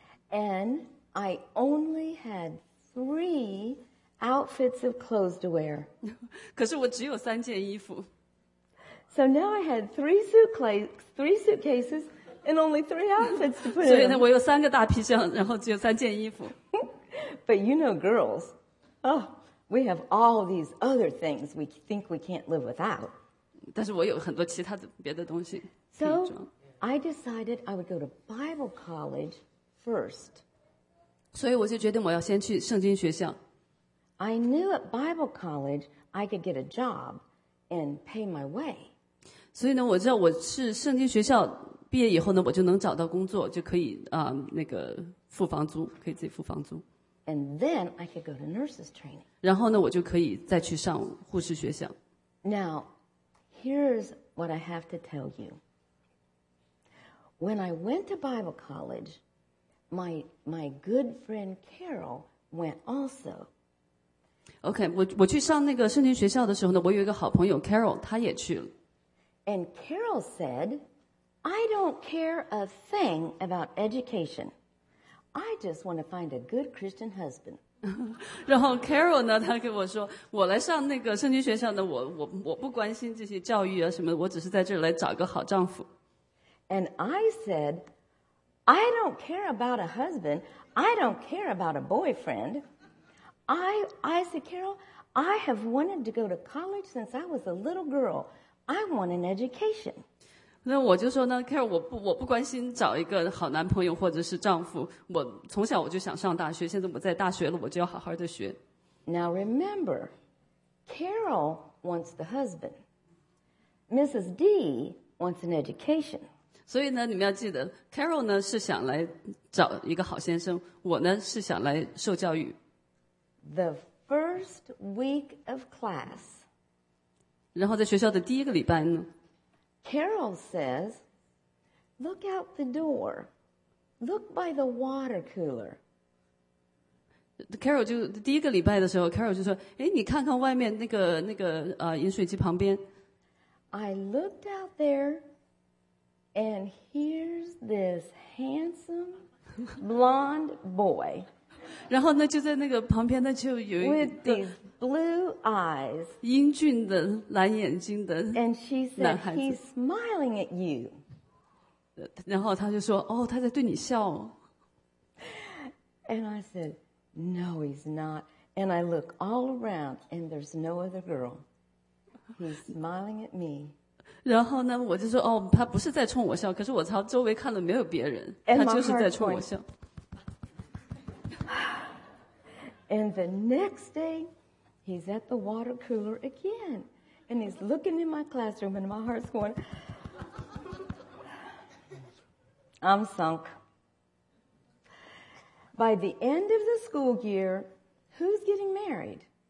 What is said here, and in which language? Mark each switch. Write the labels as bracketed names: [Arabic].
[English] And I only had three outfits of clothes to wear. [Chinese] 可是我只有三件衣服。 [English] So now I had three suitcases and only three outfits to put in. [Chinese] 所以呢，我有三个大皮箱，然后只有三件衣服。 [English] But you know girls, We have all these other things we think we can't live without. [Chinese] 但是我有很多其他的别的东西。 [English] So I decided I would go to Bible college first. [Chinese] 所以我就决定我要先去圣经学校。 [English] I knew at Bible college I could get a job and pay my way. [Chinese] 所以呢，我知道我是圣经学校毕业以后呢，我就能找到工作，就可以那个付房租，可以自己付房租。 [English] And then I could go to nurses training. [Chinese] 然后呢，我就可以再去上护士学校。 [English] Now, here's what I have to tell you. When I went to Bible college, my good friend Carol went also. [Chinese] Okay, 我去上那个圣经学校的时候呢，我有一个好朋友 Carol, 她也去了。 [English] And Carol said, I don't care a thing about education. I just want to find a good Christian husband. [Chinese] 然后 Carol 呢，她跟我说，我来上那个圣经学校呢，我不关心这些教育啊什么，我只是在这儿来找个好丈夫。 [English] And I said, I don't care about a husband. I don't care about a boyfriend. I said, Carol, I have wanted to go to college since I was a little girl. I want an education. [Chinese] 那我就说呢 ，Carol， 我不关心找一个好男朋友或者是丈夫。我从小我就想上大学，现在我在大学了，我就要好好的学。 [English] Now remember, Carol wants the husband. Mrs. D wants an education. [Chinese] 所以呢，你们要记得 ，Carol 呢是想来找一个好先生，我呢是想来受教育。 [English] The first week of class. [Chinese] 然后在学校的第一个礼拜呢。 [English] Carol says, look out the door. Look by the water cooler. [Chinese] Carol 就第一个礼拜的时候 ,Carol 就说，诶，你看看外面那个饮水机旁边。 [English] I looked out there, and here's this handsome blonde boy. [Chinese] 然后呢，就在那个旁边呢，就有一个。 [English] With these blue eyes. [Chinese] 英俊的蓝眼睛的男孩子。 [English] And she said, he's smiling at you. [Chinese] 然后他就说，哦，他在对你笑。 [English] And I said, no, he's not. And I look all around, and there's no other girl. He's smiling at me. [Chinese] 然后呢，我就说，哦，他不是在冲我笑，可是我朝周围看了，没有别人，他就是在冲我笑。 [English] And the next day, he's at the water cooler again. And he's looking in my classroom, and my heart's going, I'm sunk. By the end of the school year, who's getting married?